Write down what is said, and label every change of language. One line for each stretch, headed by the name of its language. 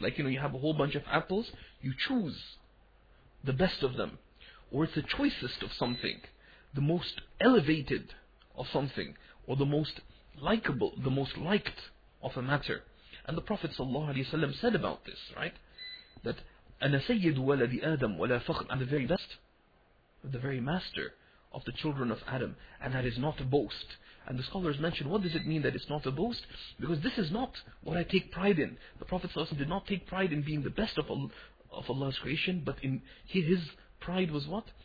English: Like, you know, you have a whole bunch of apples, you choose the best of them. Or it's the choicest of something, the most elevated of something, or the most likable, the most liked of a matter. And the Prophet ﷺ said about this, right? That
Arabic: أَنَا سَيِّدُ وَلَدِ آدَمْ وَلَا فَخْرٍ.
English: I'm the very best, the very master of the children of Adam. And that is not a boast. And the scholars mention, what does it mean that it's not a boast? Because this is not what I take pride in. The Prophet ﷺ did not take pride in being the best of Allah's creation, but in his pride was what?